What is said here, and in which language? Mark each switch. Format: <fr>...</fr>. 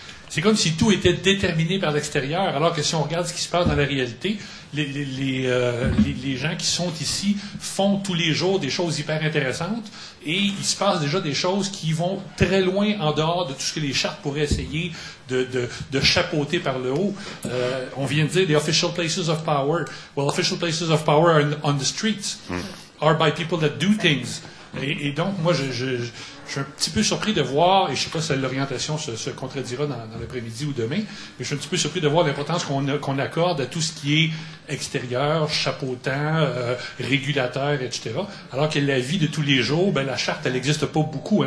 <fr>C'est comme si tout était déterminé par l'extérieur, alors que si on regarde ce qui se passe dans la réalité, les gens qui sont ici font tous les jours des choses hyper intéressantes, et il se passe déjà des choses qui vont très loin en dehors de tout ce que les chartes pourraient essayer de chapeauter par le haut. On vient de dire «</fr> <en>the official places of power ». Well, official places of power are on the streets, are by people that do things.</en> <fr>Et donc, moi, je suis un petit peu surpris de voir, et je ne sais pas si l'orientation se contredira dans l'après-midi ou demain, mais je suis un petit peu surpris de voir l'importance qu'on accorde à tout ce qui est extérieur, chapeautant, régulateur, etc., alors que la vie de tous les jours, ben, la charte, elle n'existe pas beaucoup.</fr>